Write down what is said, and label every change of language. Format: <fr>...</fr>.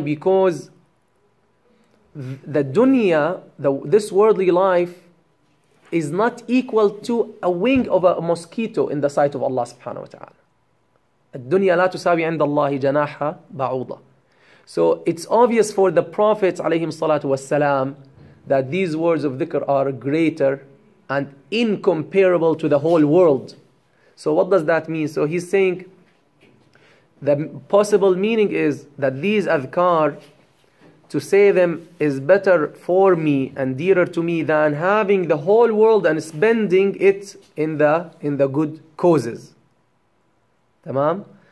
<en>Because the dunya, this worldly life, is not equal to a wing of a mosquito in the sight of Allah subhanahu wa ta'ala.</en> <ar>الدنيا لا تساوي عند الله جناحة بعوضة.</ar> <en>So it's obvious for the prophets</en> <ar>عليهم الصلاة والسلام</ar> <en>that these words of dhikr are greater and incomparable to the whole world. So what does that mean? So he's saying the possible meaning is that these adhkar, to say them is better for me and dearer to me than having the whole world and spending it in the good causes. Tamam?</en>